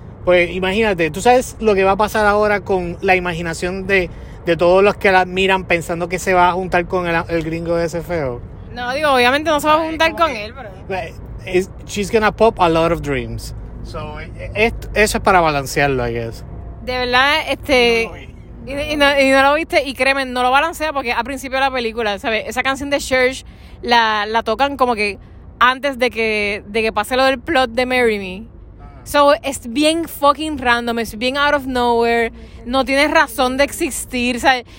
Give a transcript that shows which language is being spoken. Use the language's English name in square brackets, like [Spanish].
[Spanish] Pues imagínate, tú sabes lo que va a pasar ahora con la imaginación de todos los que la miran pensando que se va a juntar con el gringo de ese feo. No, digo, obviamente no se va a juntar con él, pero... [English] She's gonna pop a lot of dreams. [Spanish] So, eso es para balancearlo, [English] I guess. [Spanish] De verdad, No lo viste, y créeme, no lo balancea porque a principio de la película, ¿sabes? Esa canción de Church la tocan como que antes de que pase lo del plot de Marry Me. So, es bien [English] fucking random, [Spanish] es bien [English] out of nowhere, [Spanish] no tiene razón de existir, ¿sabes?